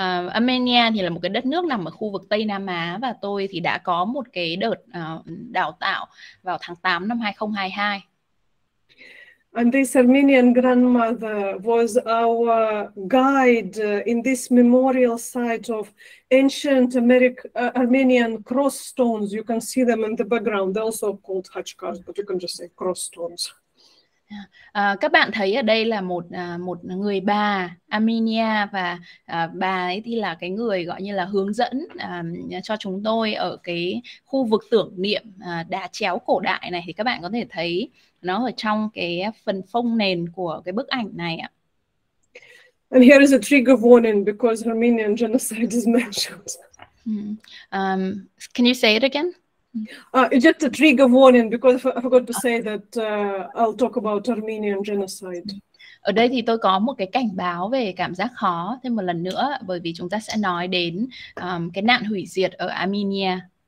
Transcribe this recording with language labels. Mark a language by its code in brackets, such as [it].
[vi] Armenia thì là một cái đất nước nằm ở khu vực Tây Nam Á, và tôi thì đã có một cái đợt đào tạo vào tháng 8 năm 2022. [en] And this Armenian grandmother was our guide in this memorial site of ancient Armenian cross stones. You can see them in the background. They're also called hachkars, but you can just say cross stones. [vi] Các bạn thấy ở đây là một một người bà Armenia, và bà ấy thì là cái người gọi như là hướng dẫn cho chúng tôi ở cái khu vực tưởng niệm đá chéo cổ đại này, thì các bạn có thể thấy nó ở trong cái phần phông nền của cái bức ảnh này ạ. [en] And here is a trigger warning because Armenian genocide is mentioned. Can you say it again? Just a trigger warning because I forgot to say that I'll talk about Armenian genocide. [vi] Ở đây thì tôi có một cái cảnh báo về cảm giác khó thêm một lần nữa bởi vì chúng ta sẽ nói đến cái nạn hủy diệt ở Armenia.